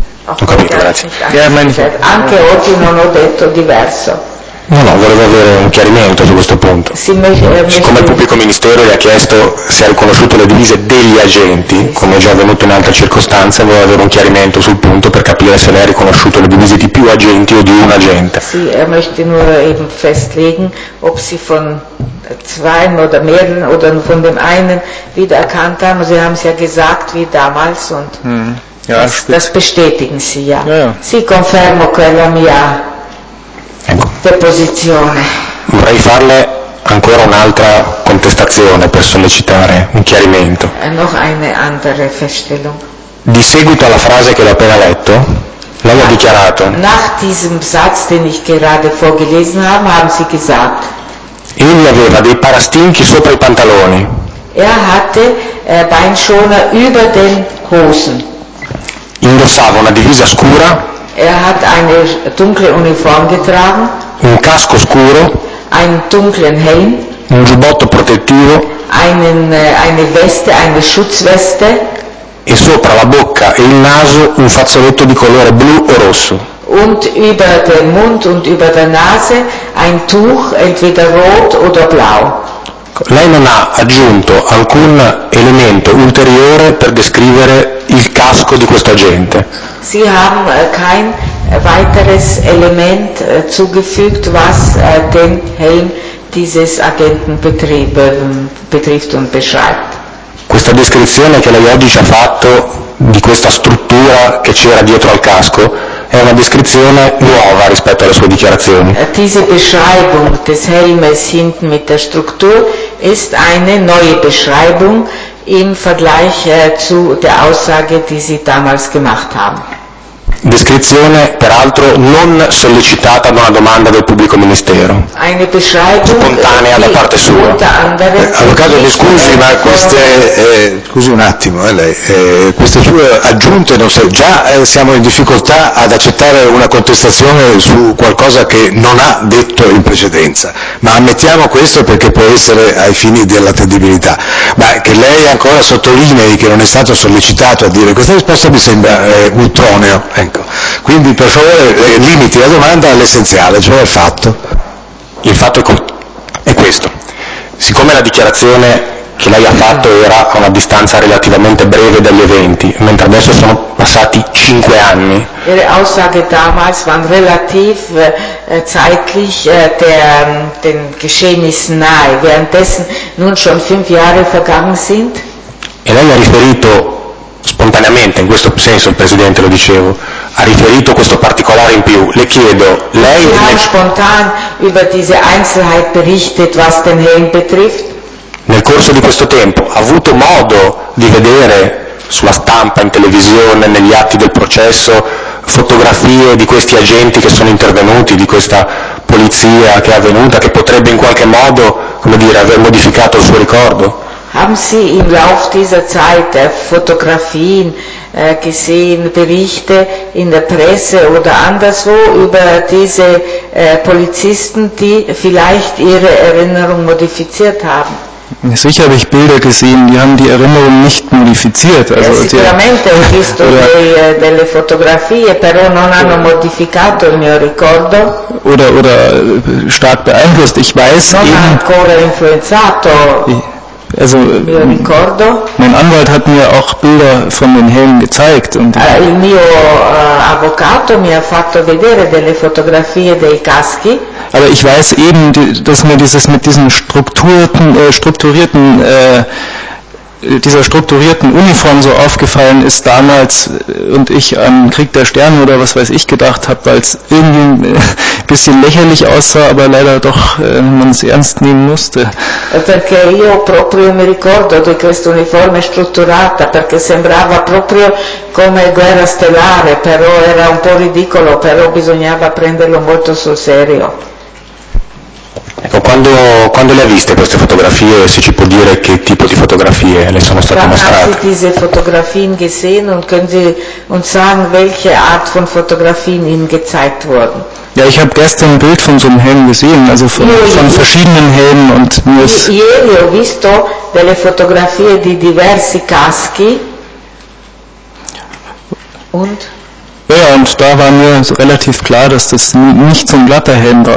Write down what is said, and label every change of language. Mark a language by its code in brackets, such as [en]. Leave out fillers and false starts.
[it] Anche oggi non ho detto diverso. No, volevo avere un chiarimento su questo punto. Sì, siccome il pubblico ministero le ha chiesto se ha riconosciuto le divise degli agenti, sì, come è già avvenuto in altre circostanze, volevo avere un chiarimento sul punto per capire se lei ha riconosciuto le divise di più agenti o di un agente. [de] Sì, möchte nur eben festlegen, ob sie von zwei oder mehreren oder von dem einen wiedererkannt haben. Sie haben es ja gesagt wie damals und ja, das bestätigen Sie ja. Ja, [it] ja. Sì, confermo quella mia. Deposizione. Vorrei farle ancora un'altra contestazione per sollecitare un chiarimento. [de] E noch eine andere Feststellung. [it] Di seguito alla frase che l'ho appena letto, lei ha dichiarato. [de] Nach diesem Satz, den ich gerade vorgelesen habe, haben Sie gesagt. [it] Egli aveva dei parastinchi sopra i pantaloni. [de] Hatte Beinschoner über den Hosen. [it] Indossava una divisa scura. [de] Hat eine dunkle Uniform getragen. [it] Un casco scuro. [de] Einen dunklen Helm. [it] Un giubbotto protettivo. [de] Eine Weste, eine Schutzweste. [it] E sopra la bocca e il naso un fazzoletto di colore blu o rosso. [de] Und über den Mund und über der Nase ein Tuch, entweder rot oder blau. [it] Lei non ha aggiunto alcun elemento ulteriore per descrivere il casco di questo agente. [de] Sie haben kein weiteres Element zugefügt, was den Helm dieses Agenten betrifft und beschreibt. [it] Questa descrizione che lei oggi ci ha fatto di questa struttura che c'era dietro al casco è una descrizione nuova rispetto alle sue dichiarazioni. [de] Diese Beschreibung des Helmes hinten mit der Struktur ist eine neue Beschreibung im Vergleich zu der Aussage, die Sie damals gemacht haben. [it] Descrizione peraltro non sollecitata da una domanda del pubblico ministero. [de] Eine Beschreibung [it] spontanea da parte sua. Avvocato, mi scusi, ma queste scusi un attimo, lei queste sue aggiunte non so, già siamo in difficoltà ad accettare una contestazione su qualcosa che non ha detto in precedenza. Ma ammettiamo questo perché può essere ai fini dell'attendibilità. Ma che lei ancora sottolinei che non è stato sollecitato a dire questa risposta mi sembra ultroneo. Ecco, quindi per favore limiti la domanda all'essenziale, cioè al fatto. Il fatto è questo: siccome la dichiarazione che lei ha fatto era a una distanza relativamente breve dagli eventi, mentre adesso sono passati 5 anni. [de] Ihre Aussage damals waren relativ zeitlich den Geschehnissen nahe, währenddessen nun schon 5 Jahre vergangen sind. [it] E lei ha riferito spontaneamente, in questo senso il Presidente lo dicevo, ha riferito questo particolare in più. Le chiedo, lei [de] ha spontan über diese Einzelheit berichtet, was den Helm betrifft. [it] Nel corso di questo tempo ha avuto modo di vedere sulla stampa, in televisione, negli atti del processo, fotografie di questi agenti che sono intervenuti, di questa polizia che è avvenuta, che potrebbe in qualche modo, come dire, aver modificato il suo ricordo? [de] Haben Sie im Lauf dieser Zeit Fotografien gesehen, Berichte in der Presse oder anderswo über diese Polizisten, die vielleicht ihre Erinnerung modifiziert haben? Sicher habe ich Bilder gesehen, die haben die Erinnerung nicht modifiziert. Also, ja, [it] sicuramente ho visto delle fotografie, però non hanno modificato il mio ricordo. [de] Oder stark beeinflusst, ich weiß [it] non [de] eben... [it] Non ancora influenzato... [de] Also, mein Anwalt hat mir auch Bilder von den Helmen gezeigt. Und [it] il mio avvocato mi ha fatto vedere delle fotografie dei caschi. [de] Aber ich weiß eben, dass mir dieses mit diesen strukturierten Uniform so aufgefallen ist damals und ich an Krieg der Sterne oder was weiß ich gedacht habe, weil es irgendwie ein bisschen lächerlich aussah, aber leider doch man es ernst nehmen musste. [it] Perché io proprio mi ricordo di questa uniforme strutturata, perché sembrava proprio come guerra stellare, però era un po' ridicolo, però bisognava prenderlo molto sul serio. Ecco, quando le ha viste queste fotografie, se ci può dire che tipo di fotografie le sono state mostrate? [de] Haben Sie diese Fotografien gesehen und können Sie uns sagen, welche Art von Fotografien Ihnen gezeigt wurden? Ja, ich habe gestern ein Bild von so einem Helm gesehen, also von verschiedenen Helmen und mir ist... [it] Ieri ho visto delle fotografie di diversi caschi und... [de] Ja, und da war mir so relativ klar, dass das nicht so ein glatter Helm war.